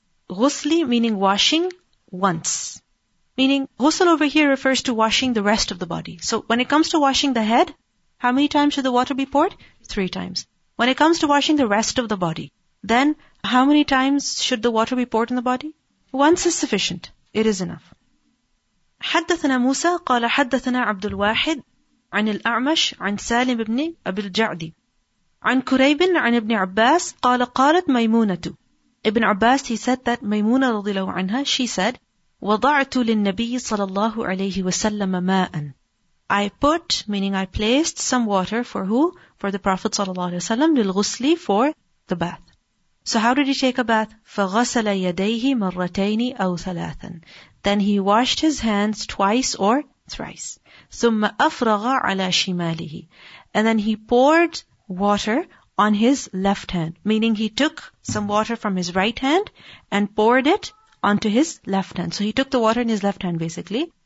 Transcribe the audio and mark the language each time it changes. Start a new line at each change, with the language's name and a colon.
English: Ghusli meaning washing once. Meaning ghusl over here refers to washing the rest of the body. So when it comes to washing the head, how many times should the water be poured? 3 times. When it comes to washing the rest of the body, then how many times should the water be poured in the body? Once is sufficient. It is enough.
Arabic: حدثنا موسى قال حدثنا عبد الواحد عن الأعمش عن سالم بن أبي الجعد عن كريب عن ابن عباس قال قالت ميمونة ابن عباس
English: he said that
Arabic: ميمونة رضي الله عنها
English: she said
Arabic: وضعت للنبي صلى الله عليه وسلم ماء
English: I put meaning I placed some water for who? For the Prophet
Arabic: صلى الله عليه وسلم للغسل
English: for the bath. So how did he take a bath?
Arabic: فغسل يديه مرتين أو ثلاثا.
English: Then he washed his hands twice or thrice.
Arabic: ثُمَّ أَفْرَغَ عَلَى شِمَالِهِ
English: And then he poured water on his left hand. Meaning he took some water from his right hand and poured it onto his left hand. So he took the water in his left hand basically.